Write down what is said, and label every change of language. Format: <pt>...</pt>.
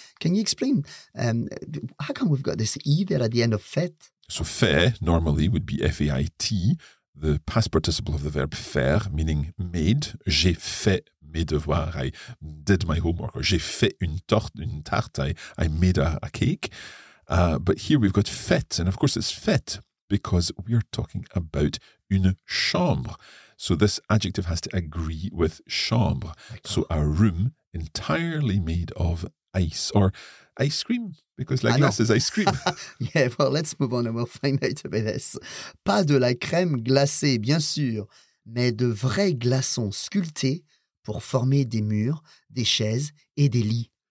<en>Can you explain, how come we've got this E there at the end of faite? So fait normally would be F-A-I-T, the past participle of the verb faire, meaning made.</en> <fr>J'ai fait mes devoirs,</fr> <en>I did my homework. Or</en> <fr>j'ai fait une tarte,</fr> <en>I made a cake. But here we've got fait, and of course it's fait because we are talking about une chambre. So this adjective has to agree with chambre. So a room entirely made of ice, or ice cream, because la glace is ice cream. Yeah, well, let's move on and we'll find out about this.</en> <fr>Pas de la crème glacée, bien sûr, mais de vrais glaçons sculptés pour former des murs, des chaises et des lits.</fr>